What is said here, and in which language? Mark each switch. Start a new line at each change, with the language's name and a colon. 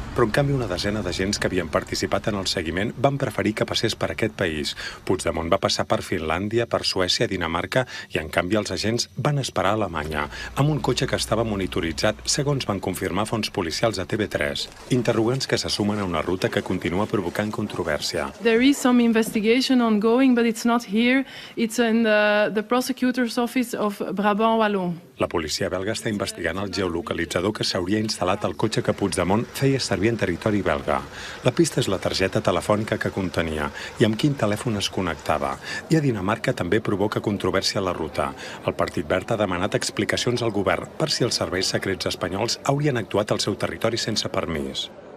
Catalan: Però, en canvi, una desena d'agents que havien participat en el seguiment van preferir que passés per aquest país. Puigdemont va passar per Finlàndia, per Suècia, Dinamarca, i en canvi els agents van esperar a Alemanya, amb un cotxe que estava monitoritzat, segons van confirmar fonts policials a TV3. Interrogants que se sumen a una ruta que continua provocant controvèrsia.
English: There is some investigation ongoing, but it's not here. It's in the prosecutor's office of Brabant Wallon.
Catalan: La policia belga està investigant el geolocalitzador que s'hauria instal·lat al cotxe que Puigdemont feia servir en territori belga. La pista és la targeta telefònica que contenia i amb quin telèfon es connectava. I a Dinamarca també provoca controvèrsia a la ruta. El Partit Verd ha demanat explicacions al govern per si els serveis secrets espanyols haurien actuat al seu territori sense permís.